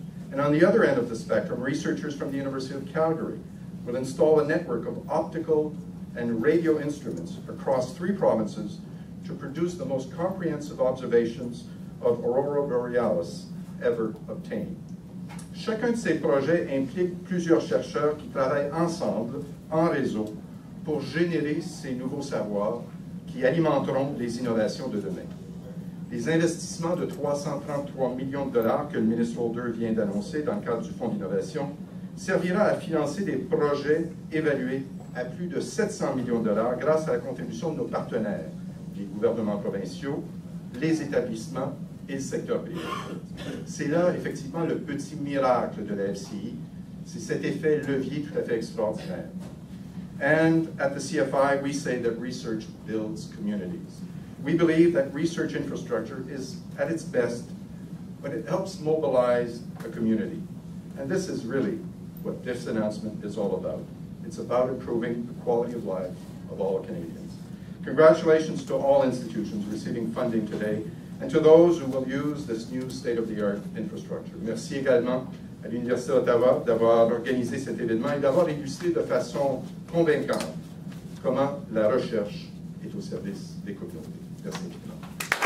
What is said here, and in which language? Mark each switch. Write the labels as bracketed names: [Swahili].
[English] And on the other end of the spectrum, researchers from the University of Calgary will install a network of optical and radio instruments across three provinces to produce the most comprehensive observations of aurora borealis ever obtained. [French] Chacun de ces projets implique plusieurs chercheurs qui travaillent ensemble, en réseau, pour générer ces nouveaux savoirs qui alimenteront les innovations de demain. Les investissements de 333 millions de dollars que le ministre Holder vient d'annoncer dans le cadre du Fonds d'innovation servira à financer des projets évalués à plus de 700 millions de dollars grâce à la contribution de nos partenaires, les gouvernements provinciaux, les établissements et le secteur privé. C'est là, effectivement, le petit miracle de la FCI. C'est cet effet levier tout à fait extraordinaire. [English] And at the CFI, we say that research builds communities. We believe that research infrastructure is at its best when it helps mobilize a community. And this is really what this announcement is all about. It's about improving the quality of life of all Canadians. Congratulations to all institutions receiving funding today and to those who will use this new state-of-the-art infrastructure. [French] Merci également à l'Université d'Ottawa d'avoir organisé cet événement et d'avoir illustré de façon convaincante comment la recherche est au service des communautés. Merci.